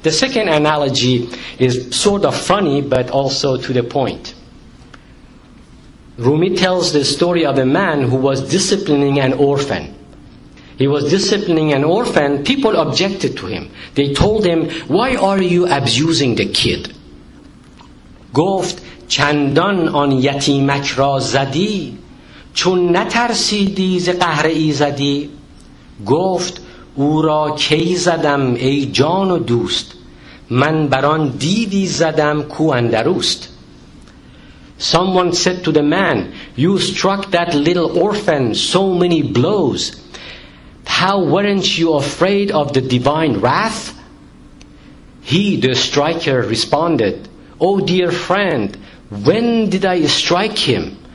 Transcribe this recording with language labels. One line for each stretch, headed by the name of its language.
English: The second analogy is sort of funny, but also to the point. Rumi tells the story of a man who was disciplining an orphan. He was disciplining an orphan. People objected to him. They told him, why are you abusing the kid?
Persian: گفت چندان آن یتیمک را زدی چون نترسیدی ز قهر ایزدی. گفت او را کی زدم ای جان و دوست من بران دیدی زدم کو اندروست.
English: Someone said to the man, "You struck that little orphan so many blows. How weren't you afraid of the divine wrath?" He, the striker, responded, "Oh dear friend, when did I strike him?